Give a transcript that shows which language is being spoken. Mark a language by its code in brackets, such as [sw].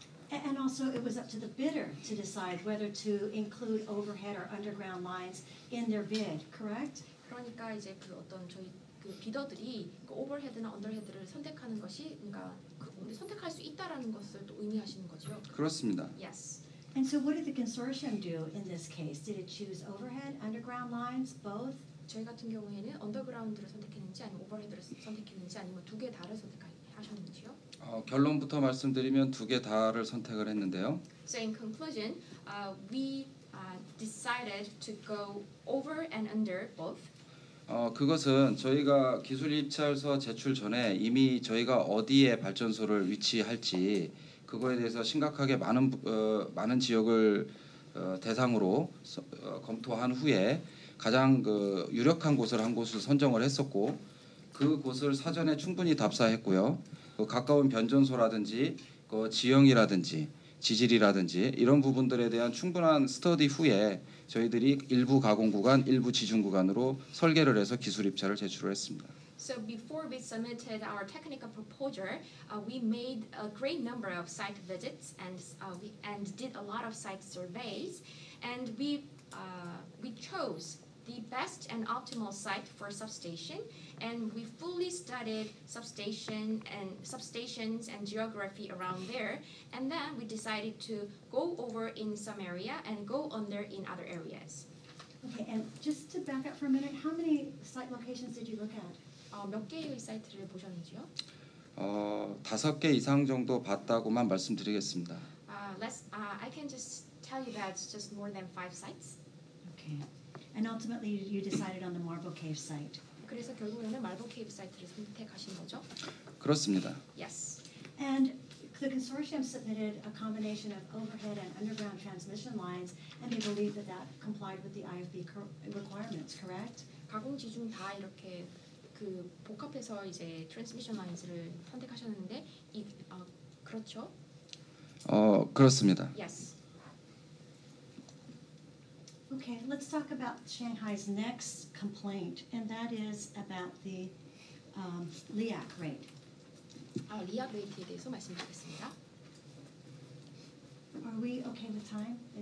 [en] And also, it was up to the bidder to decide whether to include overhead or underground lines in their bid, correct? [ko] 그러니까 이제 그 어떤 저희 그 비더들이 그 오버헤드나 언더헤드를 선택하는 것이 그러니까 그 선택할 수 있다라는 것을 또 의미하시는 거죠? 그렇습니다. [en] Yes. And so what did the consortium do in this case? Did it choose overhead, underground lines, both? [ko] 저희 같은 경우에는 언더그라운드를 선택했는지 아니면 오버헤드를 선택했는지 아니면 두 개 다를 선택하셨는지요? 결론부터 말씀드리면 두 개 다를 선택을 했는데요. [en] So in conclusion, we decided to go over and under both. [ko] 그것은 저희가 기술 입찰서 제출 전에 이미 저희가 어디에 발전소를 위치할지 그거에 대해서 심각하게 많은 지역을 대상으로 검토한 후에 가장 그 유력한 곳을 한 곳을 선정을 했었고 그 곳을 사전에 충분히 답사했고요. 그 가까운 변전소라든지 그 지형이라든지 지질이라든지 이런 부분들에 대한 충분한 스터디 후에 저희들이 일부 가공 구간, 일부 지중 구간으로 설계를 해서 기술 입찰을 제출을 했습니다. [en] So before we submitted our technical proposal, we made a great number of site visits and did a lot of site surveys and we chose the best and optimal site for substation and we fully studied substations and geography around there and then we decided to go over in some area and go under in other areas. Okay, and just to back up for a minute, how many site locations did you look at? [ko] 몇 개의 사이트를 보셨는지요? 다섯 개 이상 정도 봤다고만 말씀드리겠습니다. [en] I can just tell you that it's just more than five sites. Okay. And ultimately, you decided on the Marble Cave site. [ko] 그래서 결국에는 Marble Cave site를 선택하신 거죠? 그렇습니다. [en] Yes. And the consortium submitted a combination of overhead and underground transmission lines, and they believe that that complied with the IFB requirements, correct? [ko] 가공지 중 다 이렇게 그 복합해서 이제 트랜스미션 라인스를 선택하셨는데 이 어, 그렇죠? 어 그렇습니다. [en] Yes. Okay, let's talk about Shanghai's next complaint, and that is about the LEAC rate. [ko] 아, LEAC rate에 대해서 말씀드리겠습니다. [en] Are we okay with time?